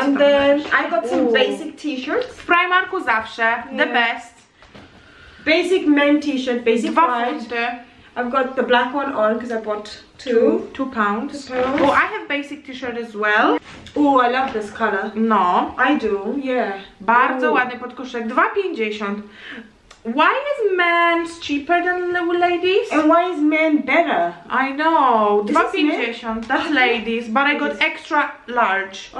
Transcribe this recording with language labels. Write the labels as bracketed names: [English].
[English] And then I got some basic t-shirts. [Polish] W Primarku zawsze, [English] the best. Basic men t-shirt, basic [Polish] dwa [English] white. [Polish] Funty. [English] I've got the black one on because I bought two pounds. Oh, I have basic t-shirt as well. Oh, I love this color. No. I do, yeah. [Polish] Bardzo ładny podkoszek, 2,50. [English] Why is men cheaper than ladies? And why is men better? I know. 2,50. That's ladies, but I got extra large.